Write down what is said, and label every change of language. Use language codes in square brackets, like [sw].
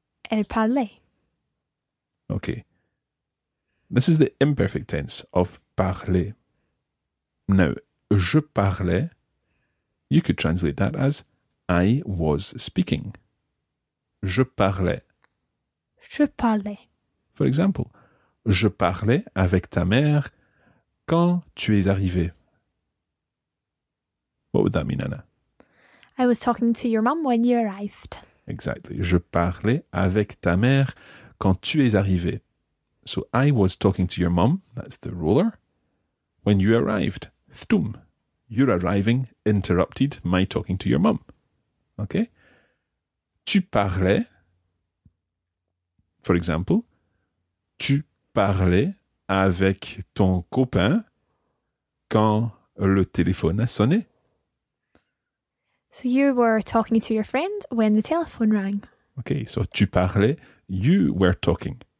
[fr] Elle parlait. [en] Okay. This is the imperfect tense of parler. Now, [fr] je parlais, [en] you could translate that as I was speaking. [fr] Je parlais. Je parlais. [en] For example, [fr] je parlais avec ta mère quand tu es arrivée. [en] What would that mean, Anna? I was talking to your mum when you arrived. Exactly. [fr] Je parlais avec ta mère quand tu es arrivée. [en] So I was talking to your mum, that's the ruler, when you arrived. Thtum. You're arriving interrupted my talking to your mum. Okay? [fr] Tu parlais, [en] for example, [fr] tu parlais avec ton copain quand le téléphone a sonné. [en] So you were talking to your friend when the telephone rang. Okay, so [fr] tu parlais, [en] you were talking.